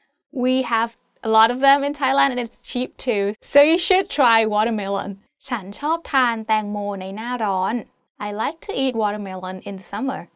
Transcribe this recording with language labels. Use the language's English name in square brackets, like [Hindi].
[English] We have a lot of them in Thailand and it's cheap too. So you should try watermelon. [Thai] ฉันชอบทานแตงโมในหน้าร้อน [English] I like to eat watermelon in the summer.